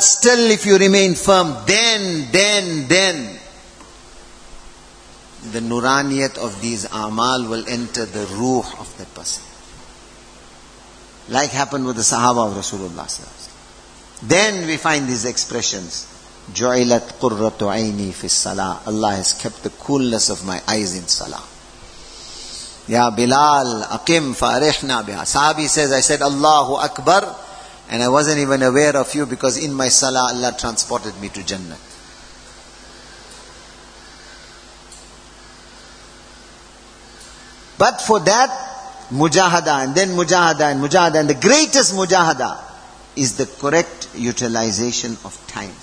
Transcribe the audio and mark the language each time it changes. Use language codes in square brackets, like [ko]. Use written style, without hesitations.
[en] Still if you remain firm, then, the nuraniyat of these amal will enter the ruh of that person. Like happened with the Sahaba of Rasulullah. Then we find these expressions. [ar] جُعِلَتْ قُرَّةُ عَيْنِي فِي الصَّلَاةِ. [en] Allah has kept the coolness of my eyes in salah. [ar] Ya Bilal, أَقِمْ فَأَرِحْنَا بِهَا. [en] Sahabi says, I said, Allahu Akbar, and I wasn't even aware of you because in my salah, Allah transported me to Jannah. But for that, mujahada, and the greatest mujahada is the correct utilization of time.